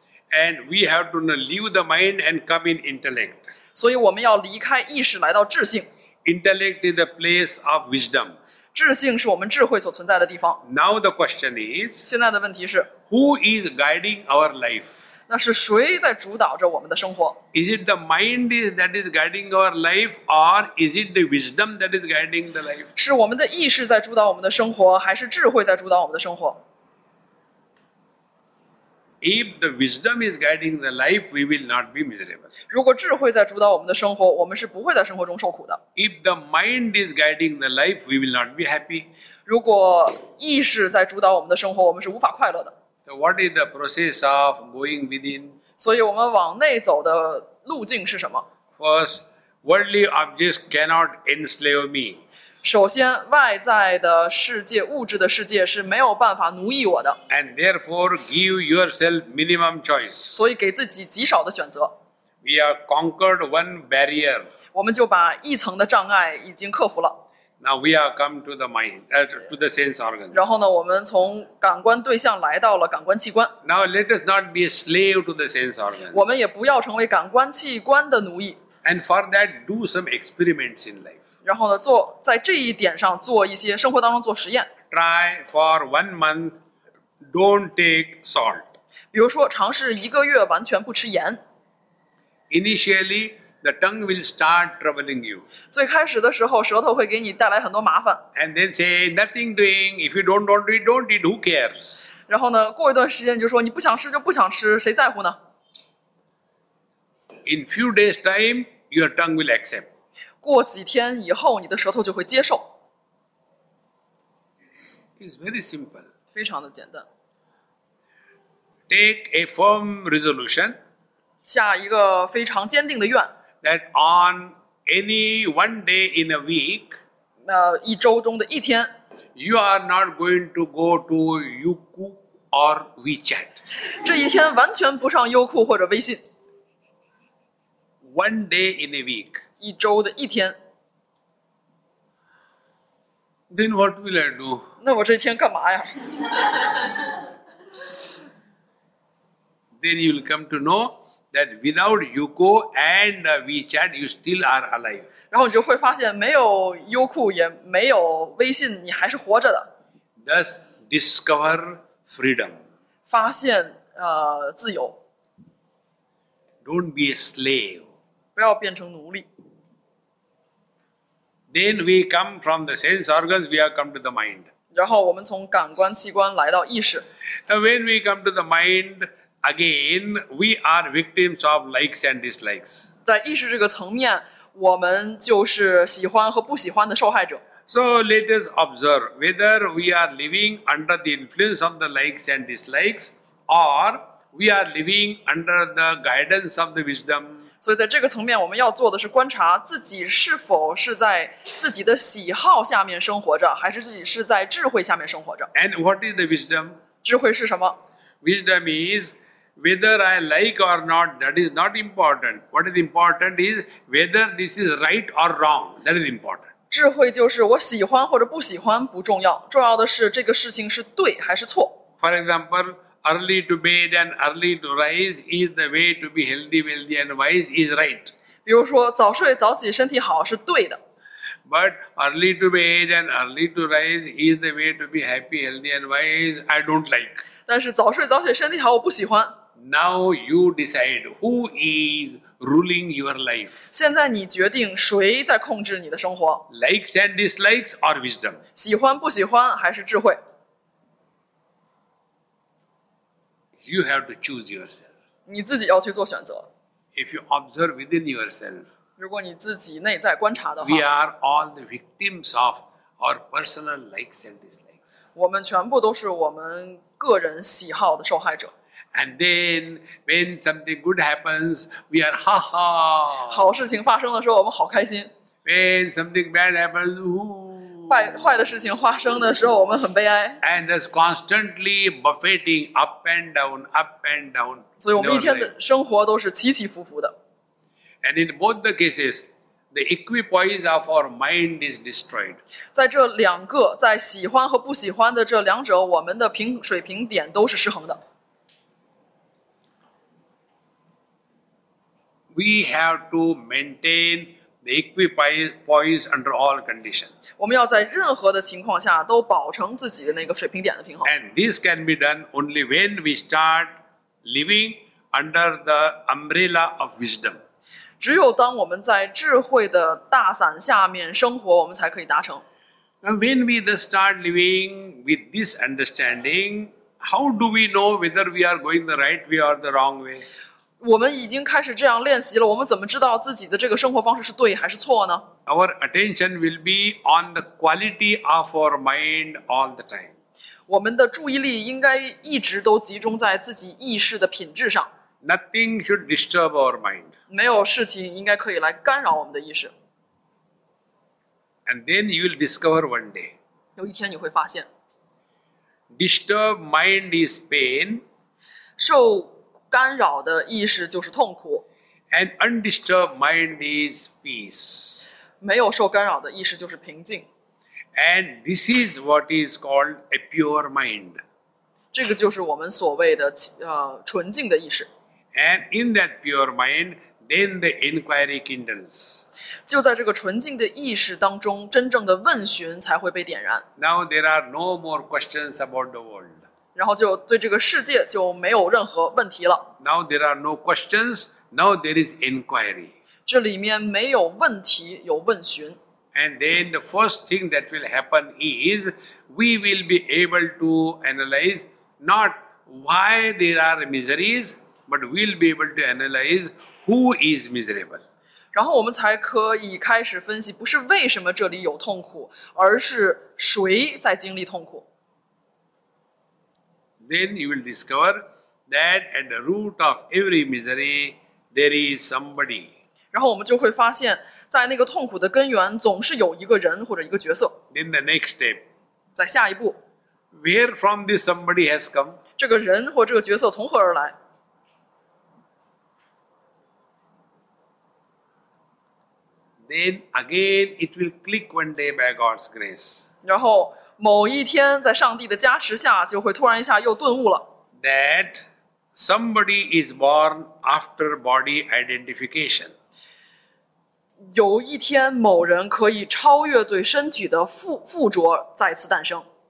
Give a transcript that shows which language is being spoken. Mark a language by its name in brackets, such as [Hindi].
[English] And we have to leave the mind and come in intellect. [Chinese] 所以我们要离开意识，来到智性。 [English] Intellect is the place of wisdom. [Chinese] 智性是我们智慧所存在的地方。 [English] Now the question is, [Chinese] 现在的问题是 [English] who is guiding our life? [Chinese] 那是谁在主导着我们的生活？ [English] Is it the mind that is guiding our life, or is it the wisdom that is guiding the life? [Chinese] 是我们的意识在主导我们的生活，还是智慧在主导我们的生活？ [English] If the wisdom is guiding the life, we will not be miserable. [Chinese] 如果智慧在主导我们的生活，我们是不会在生活中受苦的。 [English] If the mind is guiding the life, we will not be happy. [Chinese] 如果意识在主导我们的生活，我们是无法快乐的。 [English] So what is the process of going within? [Chinese] 所以我们往内走的路径是什么？ [English] First, worldly objects cannot enslave me. [Chinese] 首先，外在的世界，物质的世界是没有办法奴役我的。 [English] And therefore, give yourself minimum choice. [Chinese] 所以给自己极少的选择。 [English] We have conquered one barrier. [Chinese] 我们就把一层的障碍已经克服了。 [English] Now we have come to the mind, to the sense organs. [Chinese] 然后呢，我们从感官对象来到了感官器官。 [English] Now let us not be a slave to the sense organs. [Chinese] 我们也不要成为感官器官的奴役。 [English] And for that, do some experiments in life. [Chinese] 然后呢，在这一点上做一些生活当中做实验。 [English] Try for 1 month, don't take salt. [Chinese] 比如说，尝试一个月完全不吃盐。 [English] Initially. The tongue will start troubling you. [Chinese] 最开始的时候，舌头会给你带来很多麻烦。 [English] And then say nothing doing. If you don't eat, who cares? [Chinese] 然后呢，过一段时间就说你不想吃就不想吃，谁在乎呢？ [English] In few days time, your tongue will accept. [Chinese] 过几天以后，你的舌头就会接受。 [English] It's very simple. [Chinese] 非常的简单。 [English] Take a firm resolution. [Chinese] 下一个非常坚定的愿。 [English] That on any one day in a week, [Chinese] 一周中的一天 [English] you are not going to go to Youku or WeChat. [Chinese] 这一天完全不上优酷或者微信。 [English] One day in a week, [Chinese] 一周的一天。 [English] Then what will I do? [Chinese] 那我这天干嘛呀？ [English] Then you will come to know. That without Youku and WeChat, you still are alive. [Chinese] 然后你就会发现，没有优酷，也没有微信，你还是活着的。 [English] Thus, discover freedom. [Chinese] 发现自由。 [English] Don't be a slave. [Chinese] 不要变成奴隶。 [English] Then we come from the sense organs, we have come to the mind. [Chinese] 然后我们从感官器官来到意识。 [English] Now when we come to the mind,Again, we are victims of likes and dislikes. [Chinese] 在意识这个层面，我们就是喜欢和不喜欢的受害者。 [English] So let us observe whether we are living under the influence of the likes and dislikes, or we are living under the guidance of the wisdom. [Chinese] 所以在这个层面，我们要做的是观察自己是否是在自己的喜好下面生活着，还是自己是在智慧下面生活着。 [English] And what is the wisdom? [Chinese] 智慧是什么？ [English] Wisdom is... Whether I like or not, that is not important. What is important is whether this is right or wrong. That is important. [Chinese] 智慧就是我喜欢或者不喜欢不重要，重要的是这个事情是对还是错。 [English] For example, early to bed and early to rise is the way to be healthy, wealthy and wise is right. [Chinese] 比如说早睡早起身体好是对的。 [English] But early to bed and early to rise is the way to be happy, healthy and wise I don't like. [Chinese] 但是早睡早起身体好，我不喜欢。 [English] Now you decide who is ruling your life. [Chinese] 现在你决定谁在控制你的生活。 [English] Likes and dislikes or wisdom. [Chinese] 喜欢不喜欢还是智慧。 [English] You have to choose yourself. [Chinese] 你自己要去做选择。 [English] If you observe within yourself, [Chinese] 如果你自己内在观察的话 [English] ，We are all the victims of our personal likes and dislikes. [Chinese] 我们全部都是我们个人喜好的受害者。 [English] And then when something good happens, we are ha ha. [Chinese] 好事情发生的时候，我们好开心。 [English] When something bad happens, ooh. [Chinese] 坏的事情发生的时候，我们很悲哀。 [English] And it's constantly buffeting up and down, up and down. [Chinese] 所以我们一天的生活都是起起伏伏的。 [English] And in both the cases, the equipoise of our mind is destroyed. [Chinese] 在这两个，在喜欢和不喜欢的这两者，我们的水平点都是失衡的。 [English] We have to maintain the equipoise under all conditions. [Chinese] 我们要在任何的情况下都保持自己的那个水平点的平衡。 [English] And this can be done only when we start living under the umbrella of wisdom. [Chinese] 只有当我们在智慧的大伞下面生活，我们才可以达成。 [English] And when we start living with this understanding, how do we know whether we are going the right way or the wrong way? [Chinese] 我们已经开始这样练习了，我们怎么知道自己的这个生活方式是对还是错呢？ [English] Our attention will be on the quality of our mind all the time. [Chinese] 我们的注意力应该一直都集中在自己意识的品质上。 [English] Nothing should disturb our mind. [Chinese] 没有事情应该可以来干扰我们的意识。 [English] And then you will discover one day. [Chinese] 有一天你会发现。 [English] Disturbed mind is pain. [Chinese] 受干扰的意识就是痛苦。 [English] And undisturbed mind is peace. [Chinese] 没有受干扰的意识就是平静。 [English] And this is what is called a pure mind. [Chinese] 这个就是我们所谓的纯净的意识。 [English] And in that pure mind, then the inquiry kindles. [Chinese] 就在这个纯净的意识当中，真正的问询才会被点燃。 [English] Now there are no more questions about the world. [Chinese] 然后就对这个世界就没有任何问题了。 [English] Now there are no questions. Now there is inquiry. [Chinese] 这里面没有问题，有问询。 [English] And then the first thing that will happen is we will be able to analyze not why there are miseries. But we'll be able to analyze who is miserable. [Chinese] 然后我们才可以开始分析，不是为什么这里有痛苦，而是谁在经历痛苦。 [English] Then you will discover that at the root of every misery, there is somebody. [Chinese] 然后我们就会发现，在那个痛苦的根源，总是有一个人或者一个角色。 [English] Then the next step. [Chinese] 在下一步。 [English] Where from this somebody has come? [Chinese] 这个人或这个角色从何而来？ [English] Then again, it will click one day by God's grace. [Chinese] 然后某一天，在上帝的加持下，就会突然一下又顿悟了。 [English] That somebody is born after body identification. [Chinese] 有一天，某人可以超越对身体的附着，再次诞生。